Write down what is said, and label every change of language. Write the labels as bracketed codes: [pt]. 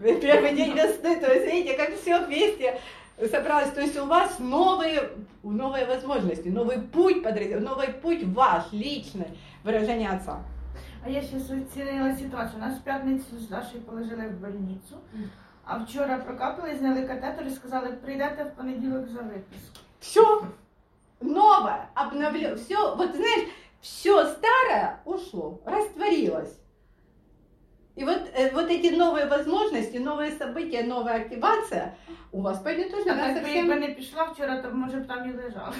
[ru] Первый день весны, то есть видите, как все вместе собралось. То есть у вас новые возможности, новый путь подразделения, новый путь ваш, личный, выражение отца. А я сейчас оценила ситуацию. Нас в пятницу с Дашей положили в больницу. [uk] А вчора прокапали, зняли катетер и сказали, прийдете в понеділок за випуск. [ru] Все новое, обновлено, все, вот знаешь, все старое ушло, растворилось. И вот, вот эти новые возможности, новые события, новая активация у вас пойдет тоже. А если совсем... бы не пришла вчера, то может бы там и лежала.